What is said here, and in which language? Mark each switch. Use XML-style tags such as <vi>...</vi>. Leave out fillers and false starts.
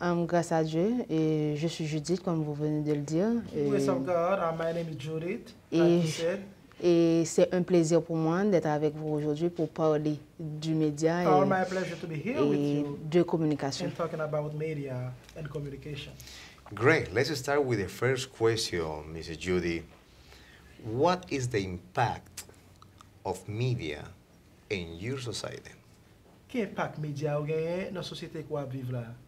<fr>Grâce à Dieu, et je suis Judith, comme vous venez de le dire.</fr> <en>Grace of God, my name is Judith, like you said.</en> <fr>Et c'est un plaisir pour moi d'être avec vous aujourd'hui pour parler du média et de communication.</fr> <en>Talking about media and communication. Great. Let's start with the first question, Mrs. Judy. What is the impact of media in your society?</en> <fr>Quel impact média a gagné dans la société qu'on vit là?</fr>